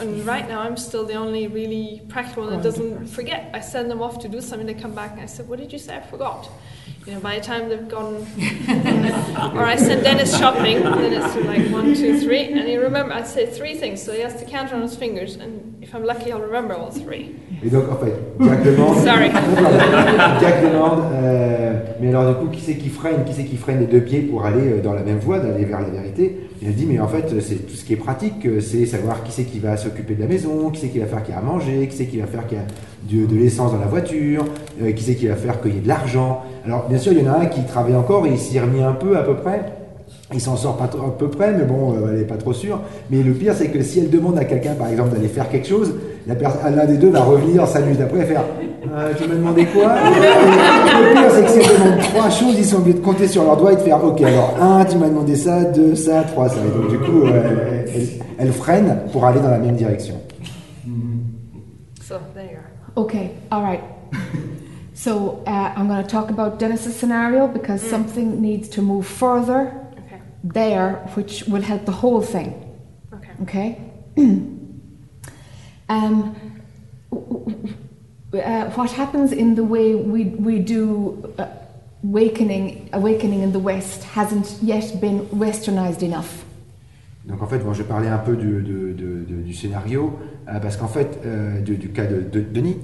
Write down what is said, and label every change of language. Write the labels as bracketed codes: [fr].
[en] And right now, I'm still the only really practical one that doesn't forget. I send them off to do something, they come back, and I said, what did you say? I forgot. You know, by the time they've gone... or I send Dennis shopping, and then it's like one, two, three. And he remember, I'd say three things, so he has to count on his fingers, and if I'm lucky, I'll remember all three. [fr] Et donc, en fait, Jack demande... [en] Sorry. [fr] Jack demande, mais alors du coup, qui c'est qui freine? Qui c'est qui freine les deux pieds pour aller dans la même voie, d'aller vers la vérité? Il a dit, mais en fait, c'est tout ce qui est pratique, c'est savoir qui c'est qui va s'occuper de la maison, qui c'est qui va faire qu'il y a à manger, qui c'est qui va faire qu'il y a de l'essence dans la voiture, qui c'est qui va faire qu'il y ait de l'argent. Alors, bien sûr, il y en a un qui travaille encore, et il s'y remet un peu à peu près. Il s'en sort pas trop, à peu près, mais bon, elle n'est pas trop sûre. Mais le pire, c'est que si elle demande à quelqu'un, par exemple, d'aller faire quelque chose, l'un des deux va revenir sa nuit d'après et faire « Tu m'as demandé quoi ?» Le pire, c'est que si elle demande trois choses, ils sont obligés de compter sur leurs doigts et de faire « Ok, alors un, tu m'as demandé ça, deux, ça, trois, ça. » Donc du coup, elle freine pour aller dans la même direction. [en] So, there you are. Okay, all right. So, I'm going to talk about Dennis's scenario because something needs to move further. There, which will help the whole thing. Okay. Okay. what happens in the way we do awakening in the West hasn't yet been westernized enough. [fr] Donc en fait, bon, je vais parler un peu du scénario parce qu'en fait du cas de Denis.